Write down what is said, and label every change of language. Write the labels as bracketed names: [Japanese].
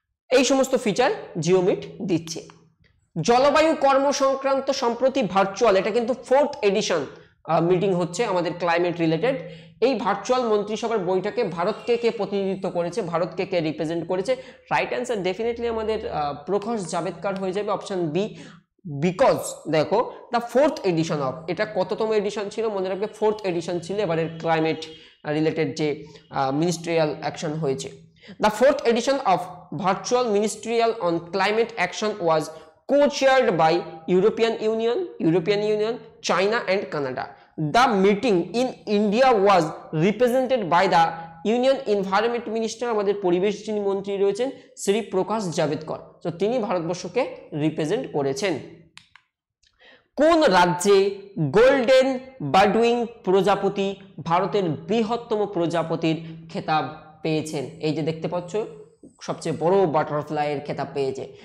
[Bangla] এই সমস্ত feature Jio meet দিচ্ছে। জলবায়ু কর্ম সংক্রান্ত সম্প্রতি ভার্চুয়াল, এটা কিন্তু 4th edition মিটিং হচ্ছে আমাদের ক্লাইমেট রিলেটেড, এই ভার্চুয়াল মন্ত্রিসভার বৈঠকে ভারতকে কে প্রতিনিধিত্ব করেছে, ভারতকে কে রিপ্রেজেন্ট করেছে? রাইট অ্যান্সার ডেফিনেটলি আমাদের প্রকাশ জাভেদকর হয়ে যাবে, অপশান বি। বিকজ দেখো, দ্য 4th edition অফ, এটা কততম এডিশন ছিল মনে রাখবে, 4th edition ছিল এবারের ক্লাইমেট রিলেটেড যে মিনিস্ট্রিয়াল অ্যাকশন হয়েছে। [English] The 4th edition of virtual ministerial on climate action was co-chaired by European Union, China and Canada. The meeting in India was represented by the Union Environment Minister, [Bangla] আমাদের পরিবেশ যিনি মন্ত্রী রয়েছেন, [English] Shri Prakash Javadekar. [Bangla] তো তিনি ভারতবর্ষকে রিপ্রেজেন্ট করেছেন। কোন রাজ্যে গোল্ডেন বার্ডউইং প্রজাপতি ভারতের বৃহত্তম প্রজাপতির খেতাব পেয়েছেন? এই যে দেখতে পাচ্ছ, সবচেয়ে বড় বাটারফ্লাইয়ের খেতাব পেয়েছে।